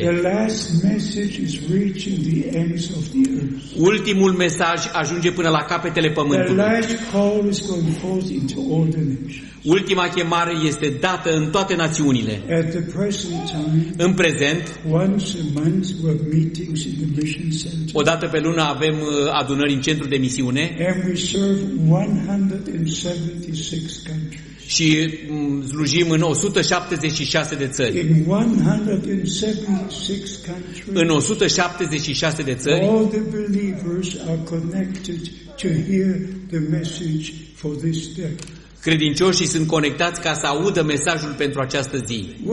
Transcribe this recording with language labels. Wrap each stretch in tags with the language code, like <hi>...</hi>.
<en>The last message is reaching the ends of the earth.</en> <ro>Ultimul mesaj ajunge până la capetele pământului.</ro> <en>The last call is going forth into all the nations.</en> <ro>Ultima chemare este dată în toate națiunile.</ro> <en>At the present time,</en> <ro>în prezent,</ro> <en>once a month we have meetings in the mission center.</en> <ro>Odată pe lună avem adunări în centru de misiune.</ro> <en>And we serve 176 countries.</en> <ro>Și slujim în 176 de țări.</ro> <en>In 176 countries,</en> <ro>în 176 de țări,</ro> <en>all the believers are connected to hear the message for this day.</en> <ro>Credincioșii sunt conectați ca să audă mesajul pentru această zi.</ro>